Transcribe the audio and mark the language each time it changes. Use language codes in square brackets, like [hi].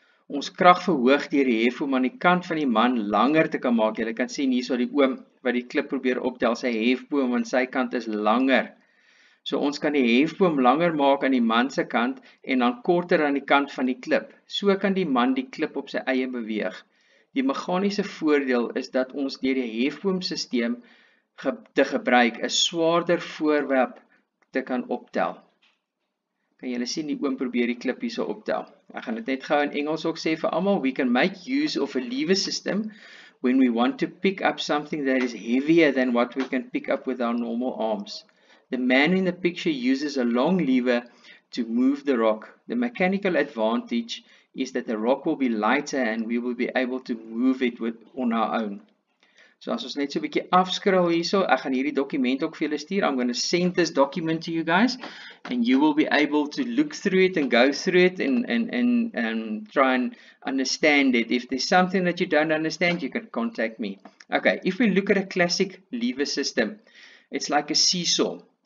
[af] Ons krag verhoog deur die hefboom aan die kant van die man langer te kan maak. Jy kan sien hierso die oom wat die klip probeer optel, sy hefboom aan sy kant is langer. So ons kan die hefboom langer maak aan die man se kant en dan korter aan die kant van die klip. So kan die man die klip op sy eie beweeg. Die meganiese voordeel is dat ons deur die hefboomsisteem te gebruik, een swaarder voorwerp te kan optel. Kan julle sien, die oom probeer die klip hierso optel. Ek gaan dit net gauw in Engels ook sê vir allemaal, [en] we can make use of a lever system when we want to pick up something that is heavier than what we can pick up with our normal arms. The man in the picture uses a long lever to move the rock. The mechanical advantage is that the rock will be lighter and we will be able to move it on our own. [af] So as ons net so 'n bietjie afskrol hierso, ek gaan hierdie dokument ook vir julle stuur. [en] I'm going to send this document to you guys and you will be able to look through it and go through it and try and understand it. If there's something that you don't understand, you can contact me. Okay, if we look at a classic lever system, it's like a seesaw.